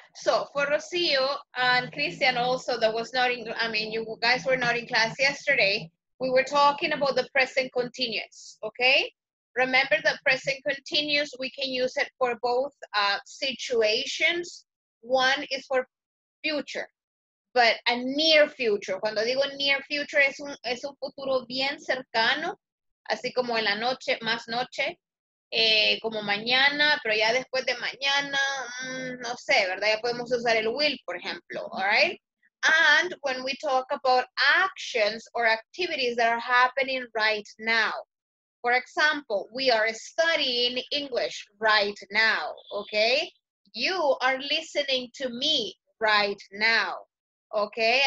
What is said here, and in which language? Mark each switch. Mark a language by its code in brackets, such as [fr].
[en] So for Rocío and Cristian also, that was not in, I mean, you guys were not in class yesterday. We were talking about the present continuous, okay? Remember the present continuous, we can use it for both situations. One is for future, but a near future. [es] Cuando digo near future, es un futuro bien cercano. Así como en la noche, más noche, como mañana, pero ya después de mañana, no sé, ¿verdad? Ya podemos usar el will, por ejemplo, [en] all right? And when we talk about actions or activities that are happening right now. For example, we are studying English right now, okay? You are listening to me right now, okay?